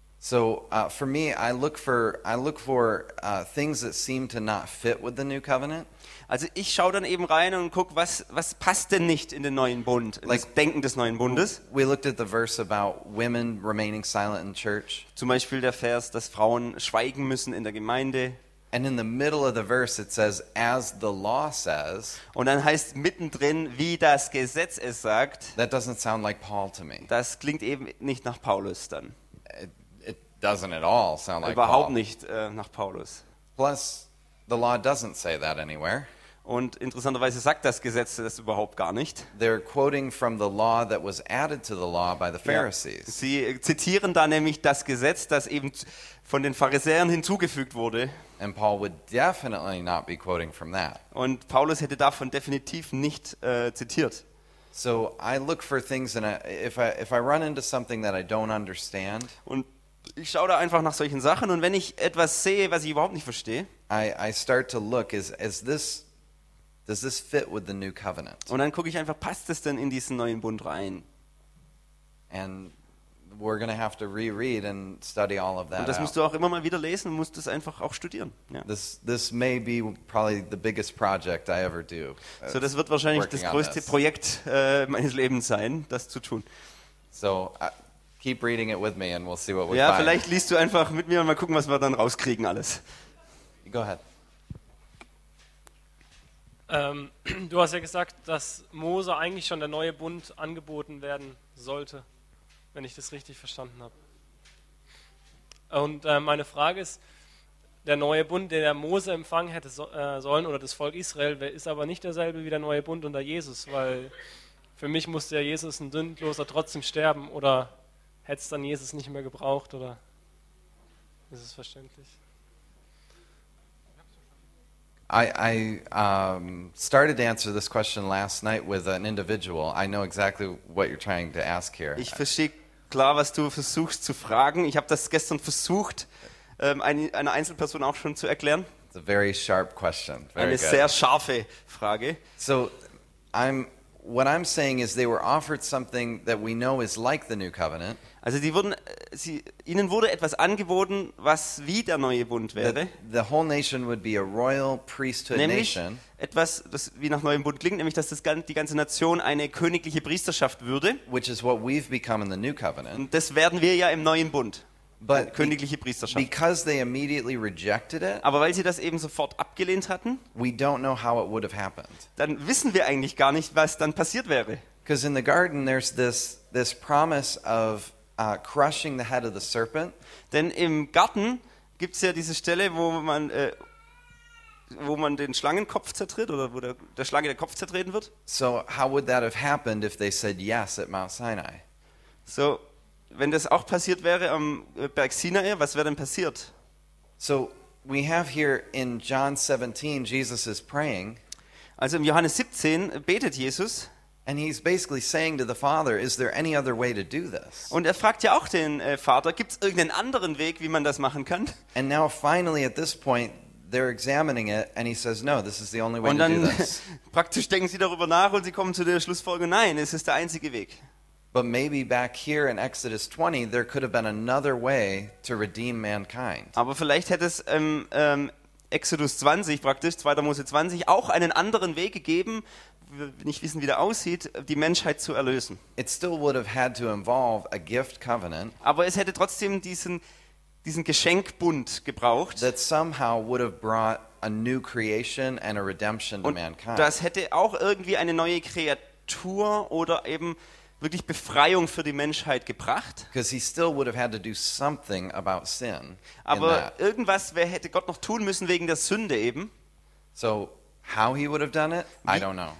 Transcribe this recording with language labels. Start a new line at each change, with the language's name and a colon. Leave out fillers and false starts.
English: So for me, I look for things that seem to not fit with the new covenant.
German: Also ich schaue dann eben rein und guck, was passt denn nicht in den neuen Bund,
English: in like,
German: das Denken des neuen Bundes.
English: We looked at the verse about women remaining silent in church.
German: Zum Beispiel der Vers, dass Frauen schweigen müssen in der Gemeinde.
English: And in the middle of the verse it says as the law says.
German: Und dann heißt mittendrin, wie das Gesetz es sagt.
English: That doesn't sound like Paul to me.
German: Das klingt eben nicht nach Paulus dann.
English: It doesn't at all sound like
German: überhaupt
English: Paul.
German: Nicht nach Paulus.
English: Plus the law doesn't say that anywhere.
German: Und interessanterweise sagt das Gesetz das überhaupt gar nicht.
English: They're quoting from the law that was added to the law by the Pharisees.
German: Ja, sie zitieren da nämlich das Gesetz, das eben von den Pharisäern hinzugefügt wurde.
English: And Paul would definitely not be quoting from that.
German: Und Paulus hätte davon definitiv nicht zitiert.
English: So I look for things and if I run into something that I don't understand.
German: Und ich schaue da einfach nach solchen Sachen und wenn ich etwas sehe, was ich überhaupt nicht verstehe,
English: I start to look does this fit with the new covenant?
German: Und dann gucke ich einfach, passt das denn in diesen neuen Bund rein?
English: And we're going to have to reread and study all of that.
German: Und das musst du auch immer mal wieder lesen und musst das einfach auch studieren.
English: Yeah. This may be probably the biggest project I ever do.
German: So das wird wahrscheinlich das größte Projekt meines Lebens sein, das zu tun.
English: So keep reading it with me and we'll see what we find.
German: Ja, vielleicht liest du einfach mit mir und mal gucken, was wir dann rauskriegen alles.
English: Go ahead.
German: Du hast ja gesagt, dass Mose eigentlich schon der neue Bund angeboten werden sollte, wenn ich das richtig verstanden habe. Und meine Frage ist, der neue Bund, den der Mose empfangen hätte sollen, oder das Volk Israel, ist aber nicht derselbe wie der neue Bund unter Jesus, weil für mich musste ja Jesus, ein Sündloser, trotzdem sterben, oder hätte es dann Jesus nicht mehr gebraucht, oder ist es verständlich?
English: I started to answer this question last night with an individual. I know exactly what you're trying to ask here.
German: Ich verstehe klar, was du versuchst zu fragen. Ich habe das gestern versucht, einer Einzelperson auch schon zu erklären.
English: It's a very sharp question. Very good.
German: Eine sehr scharfe Frage.
English: So, what I'm saying is they were offered something that we know is like the new covenant.
German: Also ihnen wurde etwas angeboten, was wie der neue Bund wäre.
English: The whole nation would be a royal priesthood nation.
German: Nämlich etwas, das wie nach neuem Bund klingt, nämlich dass die ganze Nation eine königliche Priesterschaft würde.
English: Which is what we've become in the new covenant.
German: Und das werden wir ja im neuen Bund.
English: But
German: königliche Priesterschaft.
English: Because they immediately rejected it.
German: Aber weil sie das eben sofort abgelehnt hatten.
English: We don't know how it would have happened.
German: Dann wissen wir eigentlich gar nicht, was dann passiert wäre.
English: Because in the garden there's this promise of crushing the head of the serpent.
German: Denn im Garten gibt's ja diese Stelle, wo man den Schlangenkopf zertritt oder wo der Schlange der Kopf zertreten wird.
English: So how would that have happened if they said yes at Mount Sinai?
German: So wenn das auch passiert wäre am Berg Sinai, was wäre denn passiert?
English: So we have here in John 17 Jesus is praying.
German: Also im Johannes 17 betet Jesus.
English: And he's basically saying to the Father, is there any other way to do this?
German: Und fragt ja auch den Vater, gibt's irgendeinen anderen Weg, wie man das machen kann?
English: And now finally at this point they're examining it and he says no, this is the only way to do this.
German: Und dann praktisch denken sie darüber nach und sie kommen zu der Schlussfolgerung, nein, es ist der einzige Weg.
English: But maybe back here in Exodus 20 there could have been another way to redeem mankind.
German: Aber vielleicht hätte es Exodus 20 praktisch 2. Mose 20 auch einen anderen Weg gegeben. Nicht wissen, wie der aussieht, die Menschheit zu erlösen.
English: It still would have had to involve a gift covenant.
German: Aber es hätte trotzdem diesen Geschenkbund gebraucht.
English: That somehow would have brought a new creation and a redemption to mankind.
German: Das hätte auch irgendwie eine neue Kreatur oder eben wirklich Befreiung für die Menschheit gebracht.
English: Because he still would have had to do something about sin.
German: Aber irgendwas hätte Gott noch tun müssen wegen der Sünde eben.
English: So how he would have done it, I don't know.